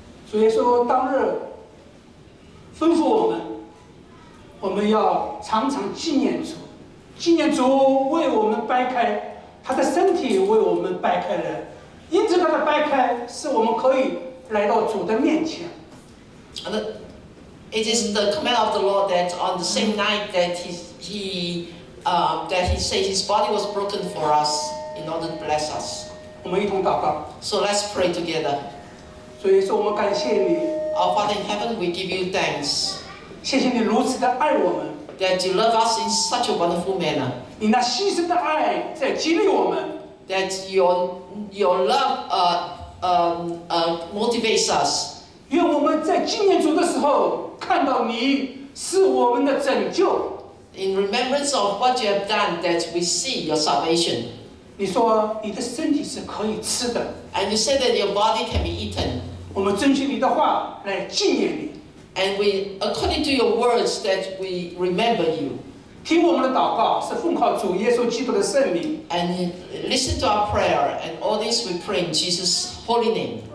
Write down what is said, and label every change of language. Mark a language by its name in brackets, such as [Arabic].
[Chinese] 主耶稣当日吩咐我们，我们要常常纪念主，纪念主为我们掰开他的身体，为我们掰开了，因着他的掰开，使我们可以来到主的面前。 [English] And it is the command of the Lord that on the same night that he said his body was broken for us in order to bless us. [Chinese] 我们一同祷告。 [English] So let's pray together. [Chinese] 所以说我们感谢你。 [English] Our Father in heaven, we give you thanks. [Chinese] 谢谢你如此的爱我们。 [English] That you love us in such a wonderful manner. [Chinese] 你那牺牲的爱在激励我们。 [English] That your love motivates us. [Chinese] 愿我们在纪念主的时候看到你是我们的拯救。 [English] In remembrance of what you have done, that we see your salvation. [Chinese] 你说你的身体是可以吃的。 [English] And you said that your body can be eaten. [Chinese] 我们遵循你的话来纪念你。 [English] And we, according to your words, that we remember you. [Chinese] 听我们的祷告是奉靠主耶稣基督的圣名。 [English] And listen to our prayer, and all this we pray in Jesus' holy name.